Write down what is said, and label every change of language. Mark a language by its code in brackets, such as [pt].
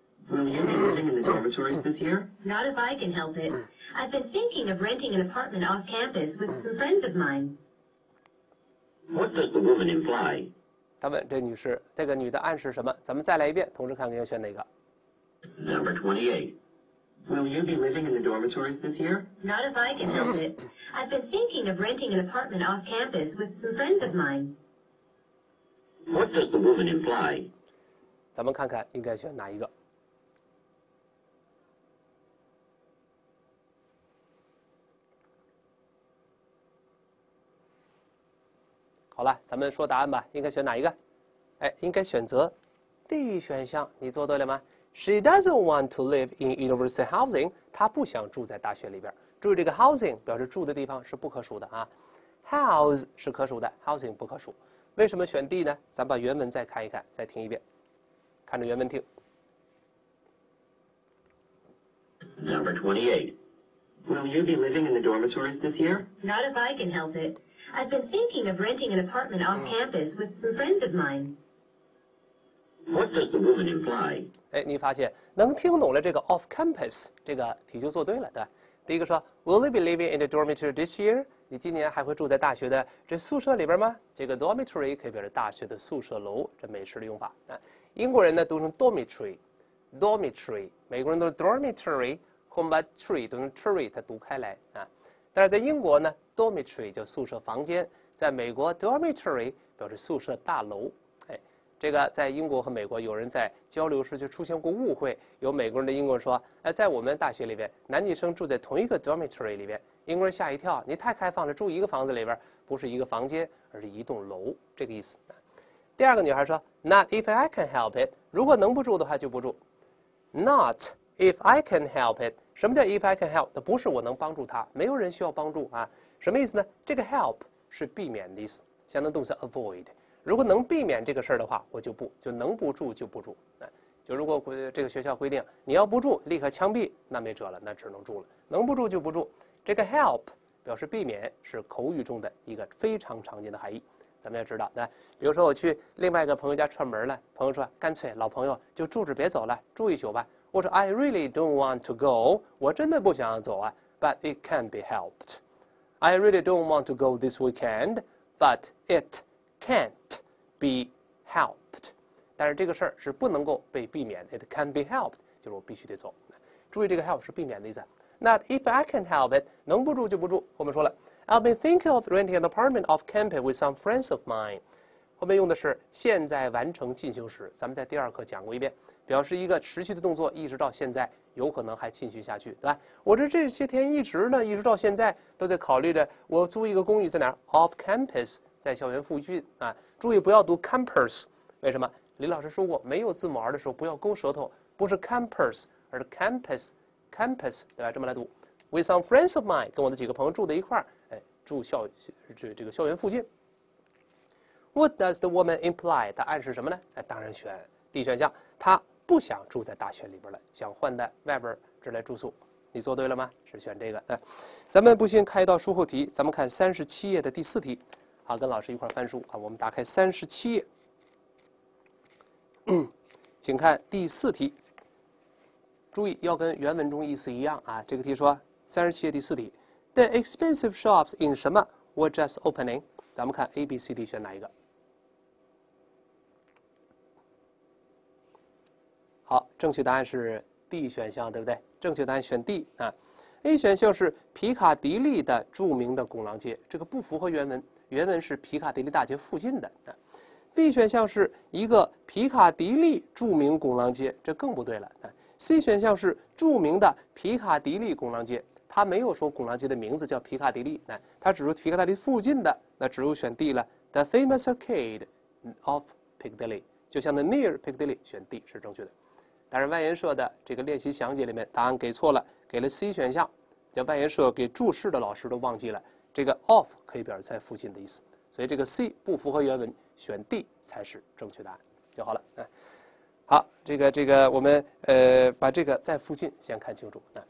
[en] Will you be living in the dormitories this year? Not if I can help it. I've been thinking of renting an apartment off campus with some friends of mine. What does the woman imply? [zh] 他问这女士，这个女的暗示什么？咱们再来一遍，同时看看要选哪个。 [en] Number 28. Will you be living in the dormitories this year? Not if I can help it. I've been thinking of renting an apartment off campus with some friends of mine. What does the woman imply? [zh] 咱们看看应该选哪一个。好了，咱们说答案吧，应该选哪一个？哎，应该选择 D 选项。你做对了吗 [en] ？She doesn't want to live in university housing. [zh] 她不想住在大学里边。注意这个 housing 表示住的地方是不可数的啊。House 是可数的 ，housing 不可数。为什么选 D 呢？咱把原文再看一看，再听一遍，看着原文听。 [en] Number 28. Will you be living in the dormitories this year? Not if I can help it. I've been thinking of renting an apartment off campus with some friends of mine. What does the woman imply? [zh] 哎，你发现能听懂了这个 off campus 这个题就做对了，对吧？第一个说 [en] Will you be living in the dormitory this year? [zh] 你今年还会住在大学的这宿舍里边吗？这个 dormitory 可以表示大学的宿舍楼，这美式的用法。那英国人呢读成 dormitory， 美国人都是 dormitory， 后面把 tree 读成 tree， 它读开来啊。但是在英国呢 ，dormitory 叫宿舍房间，在美国 ，dormitory 表示宿舍大楼。哎，这个在英国和美国有人在交流时就出现过误会，有美国人的英国人说：“哎，在我们大学里边，男女生住在同一个 dormitory 里边。” 英国人吓一跳：“你太开放了，住一个房子里边不是一个房间，而是一栋楼。” 这个意思。第二个女孩说 ： [en] “Not if I can help it， [zh] 如果能不住的话就不住。 [en] ”Not。 If I can help it， [zh] 什么叫 [en] if I can help？ [zh] 那不是我能帮助他，没有人需要帮助啊。什么意思呢？这个 help 是避免的意思，相当动词 avoid。如果能避免这个事儿的话，我就不就能不住就不住。就如果这个学校规定你要不住立刻枪毙，那没辙了，那只能住了。能不住就不住。这个 help 表示避免，是口语中的一个非常常见的含义。咱们要知道，那比如说我去另外一个朋友家串门了，朋友说干脆老朋友就住着别走了，住一宿吧。我说 [en] I really don't want to go， [zh] 我真的不想走啊。 [en] But it can be helped. I really don't want to go this weekend， but it can't be helped. [zh] 但是这个事儿是不能够被避免。 [en] It can be helped， [zh] 就是我必须得走。注意这个 help 是避免的意思。 [en] Not if I can help it， [zh] 能不住就不住。 后面说了 [en] ，I've been thinking of renting an apartment off campus with some friends of mine。 [zh] 后面用的是现在完成进行时，咱们在第二课讲过一遍，表示一个持续的动作，一直到现在，有可能还继续下去，对吧？我这些天一直呢，一直到现在都在考虑着，我租一个公寓在哪儿 ？Off campus， 在校园附近啊。注意不要读 campus， 为什么？李老师说过，没有字母 R 的时候不要勾舌头，不是 campus， 而是 campus， 对吧？这么来读 ， [en] with some friends of mine， [zh] 跟我的几个朋友住在一块儿，哎，住校这个校园附近。 [en] What does the woman imply? [zh] 她暗示什么呢？哎，当然选 D 选项。她不想住在大学里边了，想换在外边这来住宿。你做对了吗？是选这个。哎，咱们不信开一道书后题，咱们看37页的第四题。好，跟老师一块翻书啊。我们打开37页，请看第四题。注意要跟原文中意思一样啊。这个题说37页第四题 ， [en] The expensive shops in [zh] 什么 [en] were just opening。 [zh] 咱们看 A、B、C、D 选哪一个？好，正确答案是 D 选项，对不对？正确答案选 D 啊。 A 选项是皮卡迪利的著名的拱廊街，这个不符合原文。原文是皮卡迪利大街附近的啊。B 选项是一个皮卡迪利著名拱廊街，这更不对了啊。 C 选项是著名的皮卡迪利拱廊街。他没有说拱廊街的名字叫皮卡迪利，那他只是皮卡迪利附近的，那只有选 D 了。 [en] The famous arcade of Piccadilly， [zh] 就像那 [en] near Piccadilly， [zh] 选 D 是正确的。但是外研社的这个练习详解里面，答案给错了，给了 C 选项，叫外研社给注释的老师都忘记了。这个 of 可以表示在附近的意思，所以这个 C 不符合原文，选 D 才是正确答案就好了。好，这个我们把这个在附近先看清楚。